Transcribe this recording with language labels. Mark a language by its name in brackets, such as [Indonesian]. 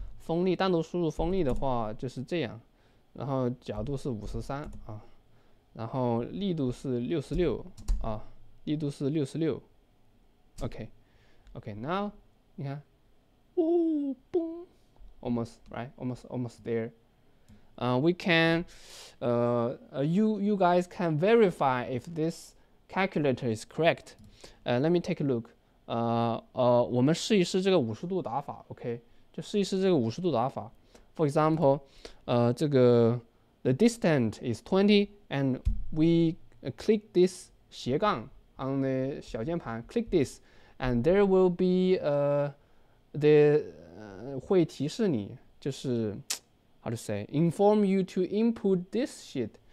[Chinese] 锋利单独输入锋利的话就是这样，然后角度是53啊，然后力度是66啊，力度是66 ，OK, now 你看。 [English] Almost there. You guys can verify if this calculator is correct. Let me take a look. [Chinese] 我们试一试这个五十度打法 ，OK? 就试一试这个五十度打法。 [English] For example, the distance is 20, and we click this 斜杠 on the 小键盘 click this, and there will be the [Chinese] 会提示你，就是 [English] how to say inform you to input this shit,